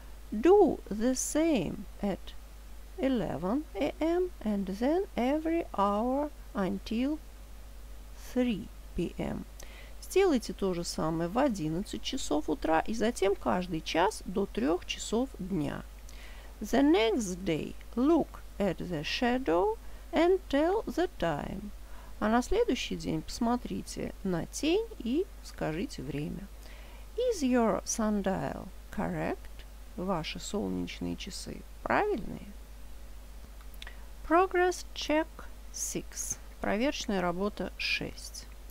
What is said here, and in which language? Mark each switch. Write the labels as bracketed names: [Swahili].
[English] Do the same at 11 a.m. and then every hour until 3 p.m. [Russian] Сделайте то же самое в 11 часов утра и затем каждый час до 3 часов дня. [English] The next day look at the shadow and tell the time. [Russian] А на следующий день посмотрите на тень и скажите время. [English] Is your sundial correct? [Russian] Ваши солнечные часы правильные? [English] Progress check 6. Проверочная работа 6.